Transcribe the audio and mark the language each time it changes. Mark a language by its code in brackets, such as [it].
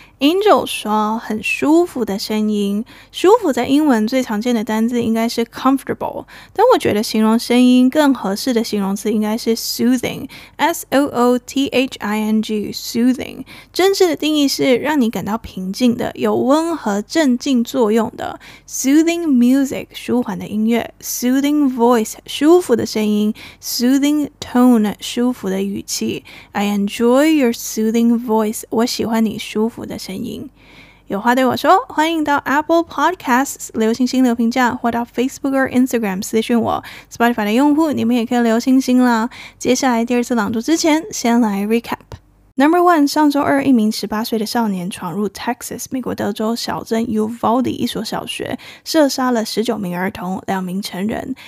[zh] Angel 说很舒服的声音，舒服在英文最常见的单字应该是 comfortable， 但我觉得形容声音更合适的形容词应该是 soothing， S-O-O-T-H-I-N-G， soothing， 正式的定义是让你感到平静的，有温和镇静作用的。 soothing music， 舒缓的音乐， soothing voice， 舒服的声音， soothing tone， 舒服的语气。 [en] I enjoy your soothing voice， [zh] 我喜欢你舒服的声音。有话对我说，欢迎到 Apple Podcasts 留星星留评价，或到 Facebook 或 Instagram 私讯我。 Spotify 的用户你们也可以留星星啦。接下来第二次朗读之前，先来 recap。 Number one， 上周二，一名18岁的少年闯入 Texas 美国德州小镇 Uvalde 一所小学，射杀了19名儿童、2名成人。